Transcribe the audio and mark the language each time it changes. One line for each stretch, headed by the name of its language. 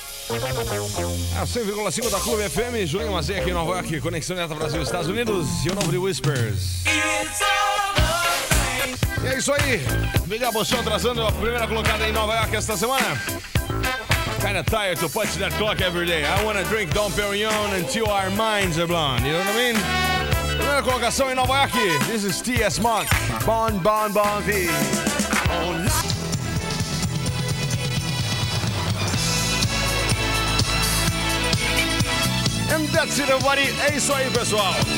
Portuguese: É 100,5 da Clube FM, Julinho Mazzei aqui em Nova York, conexão direta Brasil, Estados Unidos, e o novo de Whispers. E é isso aí, Miguel Bolsão trazendo a primeira colocada em Nova York esta semana.
English: Kinda tired to punch that clock every day. I wanna drink Dom Perignon until our minds are blown. You know what I mean?
Portuguese: Primeira colocação em Nova York.
English: This is T.S. Monk. Bon, bon, bon, vie. And that's it, everybody.
Portuguese: É isso aí, pessoal.